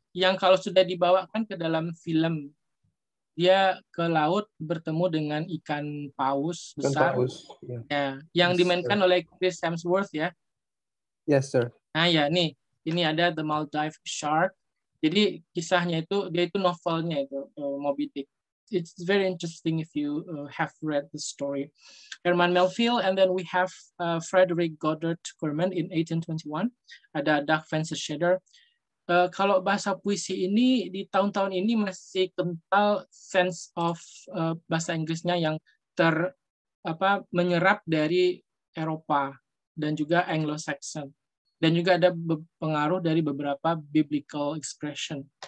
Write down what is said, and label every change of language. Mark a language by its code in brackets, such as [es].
[id] Yang kalau sudah dibawakan ke dalam film dia ke laut bertemu dengan ikan paus besar. Paus. Ya. Yang yes, dimainkan sir. Oleh Chris Hemsworth ya. [en] Yes, sir. [id] Nah, ya nih. Ini ada The Maldive Shark. Jadi kisahnya itu dia itu novelnya itu Moby Dick. [en] It's very interesting if you have read the story. Herman Melville, and then we have Frederick Goddard Kerman in 1821. [id] Ada Doug Fenschedder. Kalau bahasa puisi ini di tahun-tahun ini masih kental [en] sense of [id] bahasa Inggrisnya yang menyerap dari Eropa dan juga Anglo-Saxon. Dan juga ada pengaruh dari beberapa [en] biblical expression.